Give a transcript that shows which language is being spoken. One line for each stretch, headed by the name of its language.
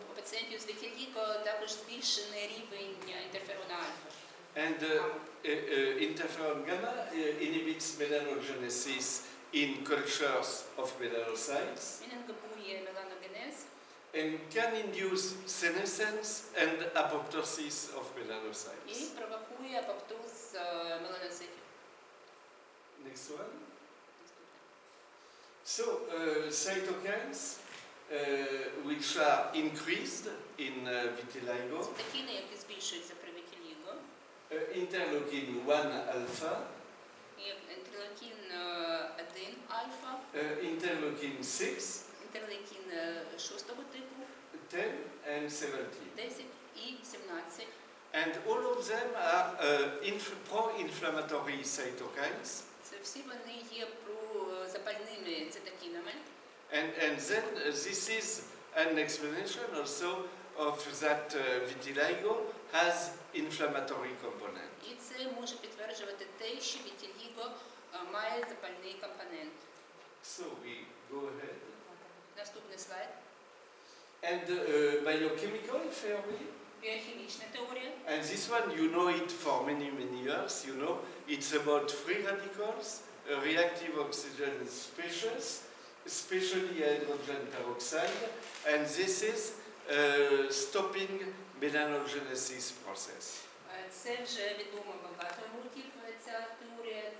Ukrainian: У пацієнтів з вітіліго також збільшений рівень інтерферона альфа.
English: And interferon gamma inhibits melanogenesis in cultures of melanocytes.
Ukrainian: Він інгибує меланогенез.
English: And can induce senescence and apoptosis of melanocytes.
Ukrainian: І провокує апоптоз меланоцитів.
English: Next one. So cytokines, which are increased in vitiligo.
Ukrainian: Цитокіни, які збільшуються при вітіліго.
English: Interleukin 1 alpha. Interleukin 1 alpha. Interleukin 6.
Ukrainian: Interleukin 6-го типу.
English: 10 and 17.
Ukrainian: 10 і 17.
English: And all of them are pro-inflammatory cytokines.
Ukrainian: Всі вони є про запальними цитокінами.
English: And then this is an explanation also of that vitiligo has inflammatory component.
Ukrainian: І це може підтверджувати те, що vitiligo має запальний компонент.
English: So we go ahead.
Ukrainian: Наступний слайд.
English: And biochemical theory.
Ukrainian: Біохімічна теорія.
English: And this one, you know it for many, many years, you know. It's about free radicals, reactive oxygen species, especially hydrogen peroxide, and this is stopping melanogenesis process.
Ukrainian: Це вже відомо багато років ця теорія.